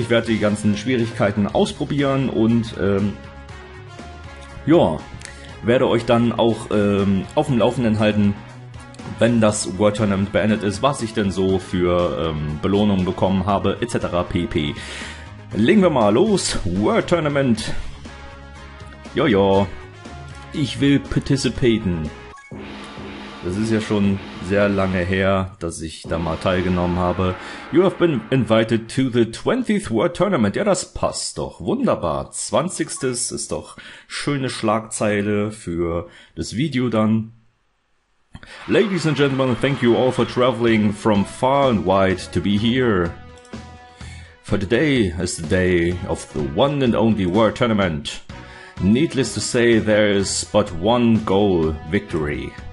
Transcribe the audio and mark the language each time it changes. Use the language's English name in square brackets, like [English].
[German] Ich werde die ganzen Schwierigkeiten ausprobieren und werde euch dann auch auf dem Laufenden halten, wenn das World Tournament beendet ist, was ich denn so für Belohnungen bekommen habe, etc. pp. Legen wir mal los. World Tournament. Jojo. Ich will participaten. Das ist ja schon sehr lange her, dass ich da mal teilgenommen habe. [English] You have been invited to the 20th World Tournament. [German] Ja, das passt doch. Wunderbar. 20. ist doch schöne Schlagzeile für das Video dann. [English] Ladies and gentlemen, thank you all for traveling from far and wide to be here. For today is the day of the one and only World Tournament. Needless to say, there is but one goal, victory.